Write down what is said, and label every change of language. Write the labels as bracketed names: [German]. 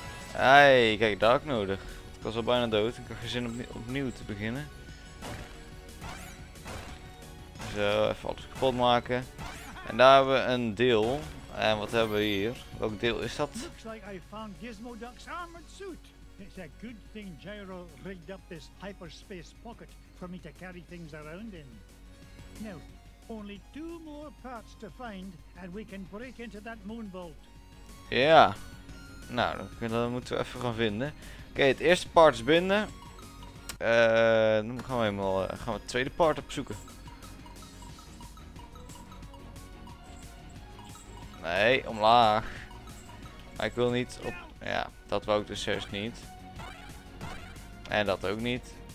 [Dutch] Hey, kijk, dak nodig. Ik was al bijna dood, ik had geen zin om opnieuw te beginnen. Zo, even alles kapot maken. En daar hebben we een deel. En wat hebben we hier? Welk deel is dat? [English] Looks like I found Gizmo Duck's armored suit. It's a good thing Gyro rigged up this hyperspace pocket for me to carry things around in. Now, only two more parts to find and we can break into that moon vault. Ja. [Dutch] Nou, dan moeten we even gaan vinden. Oké, het eerste part is binnen. Dan gaan we helemaal gaan we het tweede part opzoeken. Nee, omlaag. Maar ik wil niet op. Ja, dat wou ik dus juist niet. En dat ook niet.